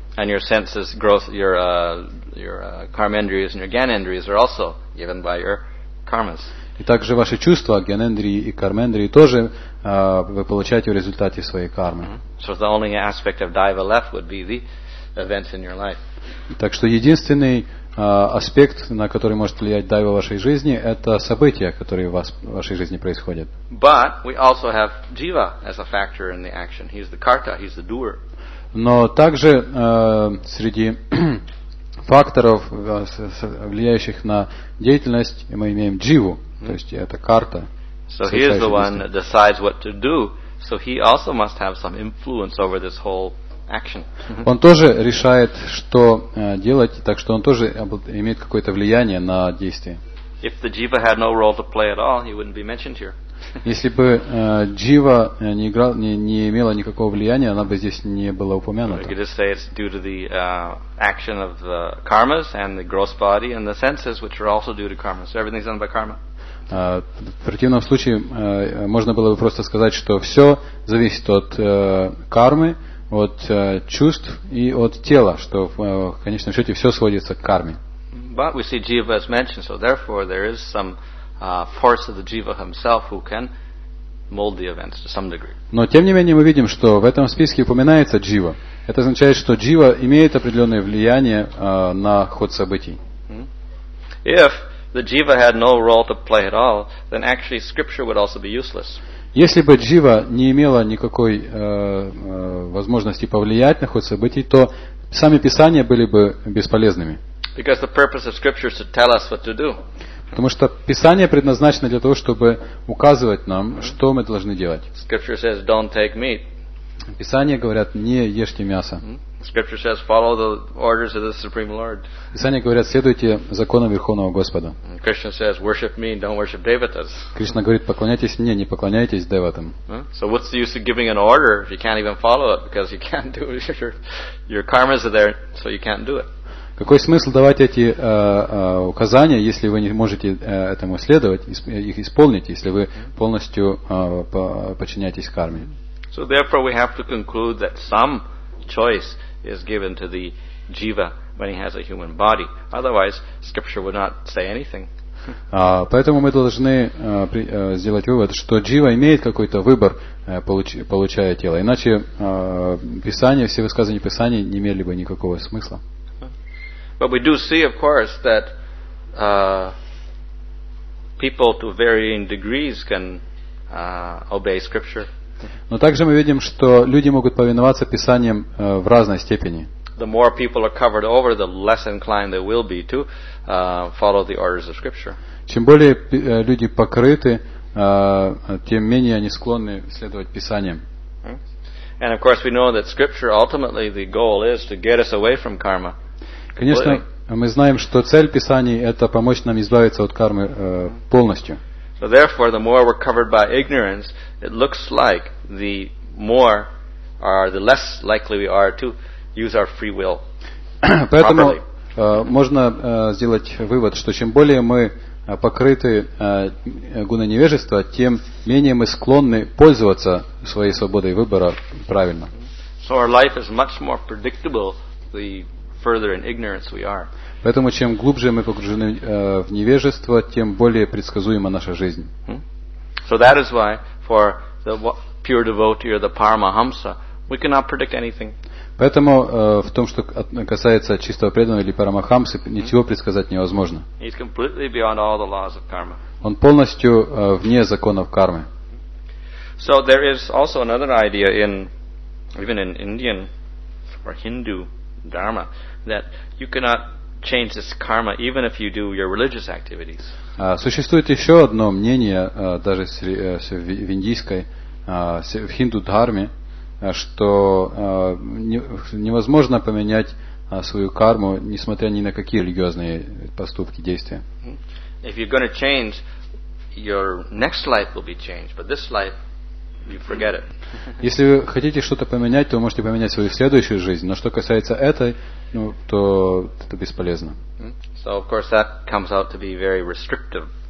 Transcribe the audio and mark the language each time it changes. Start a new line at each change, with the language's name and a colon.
English: And your senses, gross, your karmendriyas and your ganendriyas are also given by your karmas.
Russian: И также ваши чувства, ганендрии и кармендрии, тоже вы получаете в результате своей кармы.
English: So the only aspect of Daiva left would be the events in your life.
Russian: Так что единственный аспект, на который может влиять Дайва в вашей жизни, это события, которые у вас в вашей жизни происходят.
English: But we also have Jiva as a factor in the action. He's the karta, he's the doer.
Russian: Но также среди факторов, влияющих на деятельность, мы имеем Дживу, то есть это карта.
English: So he is the one that decides what to do, so he also must have some influence over this whole action.
Russian: Он тоже решает, что делать, так что он тоже имеет какое-то влияние на действие.
English: If the Jiva had no role to play at all, he wouldn't be mentioned here.
Russian: Если бы Джива не играл, не имела никакого влияния, она бы здесь не была упомянута.
English: You just say it's due to the action of the karmas and the gross body and the senses, which are also due to karma. So everything's done by karma.
Russian: В противном случае можно было бы просто сказать, что все зависит от кармы, от чувств и от тела, что в конечном счете все сводится к карме.
English: But we see Jiva as mentioned, so therefore there is some force of the jiva himself who can mold the events to some degree.
Russian: Но тем не менее мы видим, что в этом списке упоминается джива. Это означает, что джива имеет определенное влияние на ход событий.
English: If the jiva had no role to play at all, then actually scripture would also be useless.
Russian: Если бы джива не имела никакой возможности повлиять на ход событий, то сами писания были бы бесполезными.
English: Because the purpose of scripture is to tell us what to do.
Russian: Потому что Писание предназначено для того, чтобы указывать нам, что мы должны делать.
English: Scripture says, don't take meat.
Russian: Писание говорят, не ешьте мясо.
English: Scripture says, follow the orders of the Supreme Lord.
Russian: Писание говорят, следуйте законам Верховного Господа.
English: Krishna says, worship me, don't worship devatas.
Russian: Кришна говорит, поклоняйтесь мне, не поклоняйтесь деватам.
English: So what's the use of giving an order if you can't even follow it because you can't do it. Your karmas are there, so you can't do it.
Russian: Какой смысл давать эти указания, если вы не можете этому следовать, их исполнить, если вы полностью подчиняетесь карме?
English: So therefore we have to conclude that some choice is given to the jiva when he has a human body. Otherwise, scripture would not say anything.
Russian: Поэтому мы должны сделать вывод, что джива имеет какой-то выбор, получая тело. Иначе писание, все высказывания писания не имели бы никакого смысла.
English: But we do see, of course, that people to varying degrees can obey scripture.
Russian: Но также мы видим, что люди могут повиноваться писаниям в разной степени.
English: The more people are covered over, the less inclined they will be to follow the orders of scripture.
Russian: Чем более люди покрыты, тем менее они склонны следовать писаниям.
English: And of course, we know that scripture ultimately the goal is to get us away from karma.
Russian: Конечно, мы знаем, что цель Писаний – это помочь нам избавиться от кармы полностью.
English: So therefore, the more we're covered by ignorance, it looks like the more or the less likely we are to use our free will properly.
Russian: Поэтому можно сделать вывод, что чем более мы покрыты гуной невежества, тем менее мы склонны пользоваться своей свободой выбора правильно.
English: So our life is much more predictable the further in ignorance we are.
Russian: Поэтому чем глубже мы погружены в невежество, тем более предсказуема наша жизнь.
English: So that is why for the pure devotee or the paramahamsa, we cannot predict anything.
Russian: Поэтому в том, что касается чистого преданного или парамахамсы, ничего предсказать невозможно.
English: He's completely beyond all the laws of karma.
Russian: Он полностью вне законов кармы.
English: So there is also another idea in even in Indian or Hindu dharma that you cannot change this karma even if you do your religious activities.
Russian: Существует еще одно мнение даже в индийской в хинду дхарме, что невозможно поменять свою карму несмотря ни на какие религиозные поступки, действия.
English: If you're going to change your next life will be changed, but this life you forget it.
Russian: Если вы хотите что-то поменять, то можете поменять свою следующую жизнь, но что касается этой, ну, то это бесполезно.
English: So of course that comes out to be very restrictive.